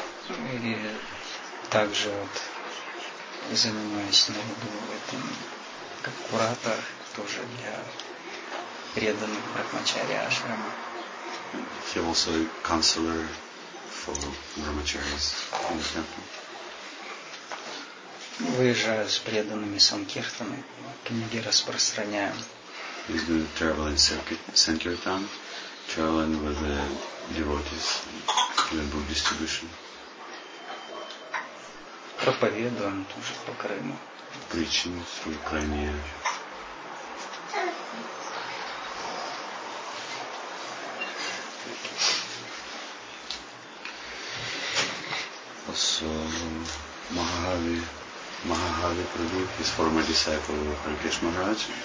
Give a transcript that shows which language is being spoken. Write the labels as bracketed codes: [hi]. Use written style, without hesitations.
[ru] И также вот занимаюсь на виду этим как куратор тоже для преданных Брахмачари Ашрама. [en] He also a counselor for Brahmacharis in the temple. [ru] Выезжаю с преданными санкиртаны, книги распространяем. [en] He's doing a traveling circuit, sankirtan, traveling with the devotees, doing book distribution. [ru] Проповедуем тоже по Крыму. [en] Preaching through Crimea. So Mahavi Prabhu, his former disciple of Hare Krishna Maharaj.